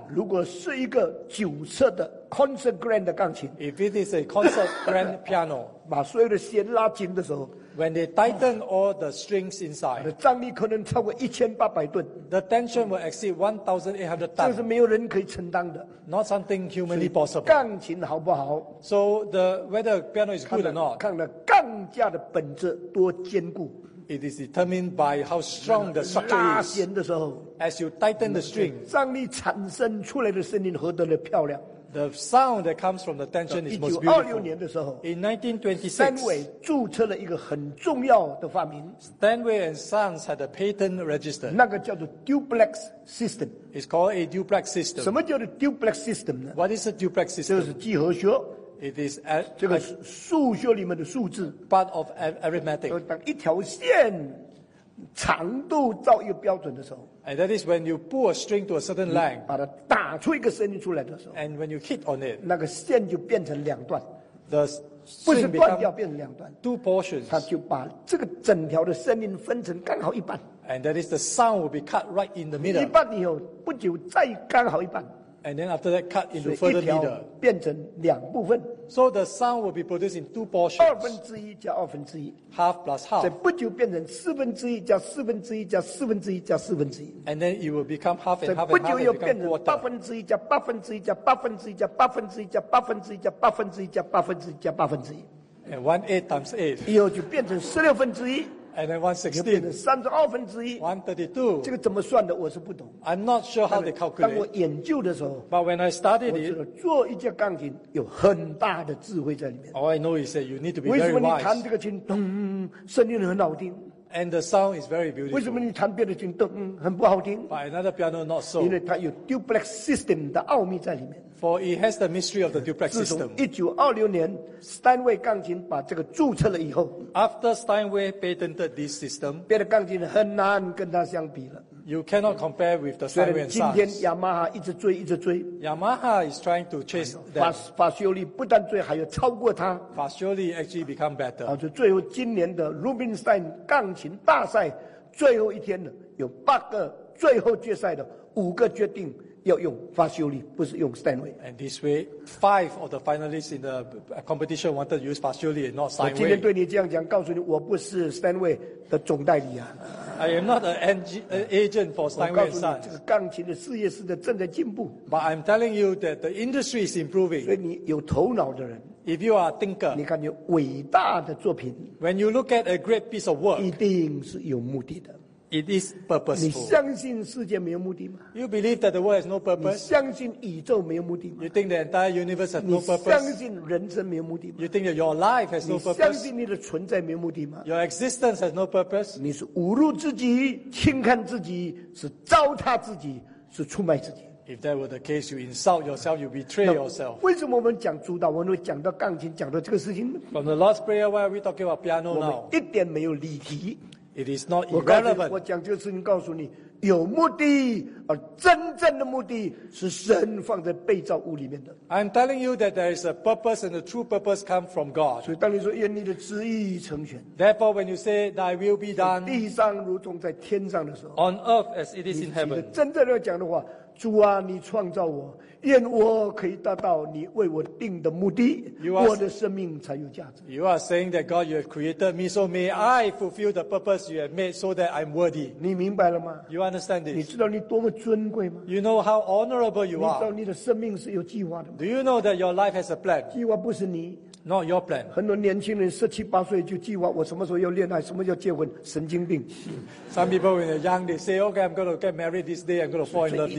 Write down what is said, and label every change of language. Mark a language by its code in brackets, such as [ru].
[zh] 如果是一个九色的 concert grand 的钢琴， [en] if it is a concert grand piano, [zh] 把所有的弦拉紧的时候， [en] when they tighten all the strings inside, [zh] 张力可能超过1800吨。 [en] The tension will exceed 1800 ton. [zh] 这是没有人可以承担的。 [en] Not something humanly possible. [zh] 钢琴好不好？ [en] So the whether piano is good or not, [zh] 看了钢架的本质多坚固。 [en] It is determined by how strong the structure is. [zh] 拉弦的时候， [en] as you tighten the string, [zh] 张力产生出来的声音何等的漂亮。 [en] The sound that comes from the tension is most beautiful. [zh] 1926年的时候， [en] in 1926, [zh] Stanway 注册了一个很重要的发明。 [en] Stanway and Sons had a patent register. [zh] 那个叫做 duplex system. [en] It's called a duplex system. [zh] 什么叫做 duplex system 呢？ [en] What is a duplex system? [zh] 这是几何学。 [en] It is a, [zh] 这个数学里面的数字 [en] part of arithmetic. [zh] 当一条线长度到一个标准的时候， [en] and that is when you pull a string to a certain length, [zh] 把它打出一个声音出来的时候， [en] and when you hit on it, [zh] 那个线就变成两段， [en] the [zh] 不是断掉变成两段， [en] two portions, [zh] 它就把这个整条的声音分成刚好一半， [en] and that is the sound will be cut right in the middle. [zh] 一半以后不久再刚好一半， [en] And then after that, cut into further meter. [zh] 变成两部分。 [en] So the sound will be produced in two portions. [zh] 二分之一加二分之一。 [en] Half plus half. [zh] 所以不久变成四分之一加四分之一加四分之一加四分之一。 [en] And then it will become half and half and half. [zh] 不久又变成八分之一加八分之一加八分之一加八分之一加八分之一加八分之一加八分之一加八分之一。 [en] And 1/8 × 8. [zh] 以后就变成十六分之一。 [en] And then 1/16. [zh] 三十二分之一。 [en] 1/32. [zh] 这个怎么算的？我是不懂。 [en] I'm not sure how they calculate. [zh] 当我研究的时候 [en] ，But when I studied it, [zh] 我知道做一架钢琴有很大的智慧在里面。 [en] All I know is that you need to be very wise. [zh] 为什么你弹这个琴，咚，声音很好听 [en] ？And the sound is very beautiful. [zh] 为什么你弹别的琴，咚，很不好听 [en] ？But another piano not so. [zh] 因为它有 duplex system 的奥秘在里面。 [en] For it has the mystery of the duplex system. [zh] 自从1926年 Steinway 钢琴把这个注册了以后 [en] ，After Steinway patented this system, [zh] 别的钢琴很难跟它相比了。 [en] You cannot compare with the Steinway and Sons. [zh] 今天 Yamaha 一直追，一直追。 [en] Yamaha is trying to chase them. [zh] Fascioli 不但追，还要超过它。 [en] Fascioli actually become better. [zh] 就最后今年的 Rubinstein 钢琴大赛最后一天了，有八个最后决赛的五个决定。要用 Fascioli 不是用 Steinway [en] and this way 5 of the finalists in the competition wanted to use Fascioli and not Steinway [zh] 我今天对你这样讲告诉你我不是 Steinway 的总代理啊 [en] I am not an agent for Steinway and Sons [zh] 我告诉你这个钢琴的事业是在正在进步 [en] but I'm telling you that the industry is improving [zh] 所以你有头脑的人 [en] if you are a thinker [zh] 你看你伟大的作品 [en] when you look at a great piece of work [zh] 一定是有目的的 [en] It is purposeful. [zh] 你相信世界没有目的吗 [en] ？You believe that the world has no purpose. [zh] 你相信宇宙没有目的吗 [en] ？You think the entire universe has no purpose. [zh] 你相信人生没有目的吗 [en] ？You think that your life has no purpose. [zh] 你相信你的存在没有目的吗 [en] ？Your existence has no purpose. [zh] 你是侮辱自己、轻看自己、是糟蹋自己、是出卖自己。 [en] If that were the case, you insult yourself, you betray yourself. [zh] 为什么我们讲主导文会讲到钢琴、讲到这个事情呢 [en] ？From the Lord's Prayer, why are we talking about piano now? [zh] 我们一点没有离题。 [en] It is not irrelevant. [zh] 我讲这个事情告诉你，有目的，而真正的目的是神放在被造物里面的。 [en] I'm telling you that there is a purpose and the true purpose come from God. [zh] 所以当你说愿你的旨意成全 [en] ，Therefore, when you say Thy will be done, [zh] 地上如同在天上的时候 [en] ，On earth as it is in heaven. [zh] 你真正要讲的话，主啊，你创造我，愿我可以达到你为我定的目的， [en] you are, [zh] 我的生命才有价值。 [en] You are saying that God, you have created me, so may I fulfill the purpose you have made, so that I'm worthy. [zh] 你明白了吗 [en] ？You understand this? [zh] 你知道你多么尊贵吗 [en] ？You know how honorable you are. [zh] 你知道你的生命是有计划的吗 [en] ？Do you know that your life has a plan? [zh] 计划不是你。 [en] Not your plan. [zh] 很多年轻人十七八岁就计划我什么时候要恋爱，什么叫结婚，神经病。 [en] Some people when they're young, they say, "Okay, I'm going to get married this day. I'm going to fall in love this day."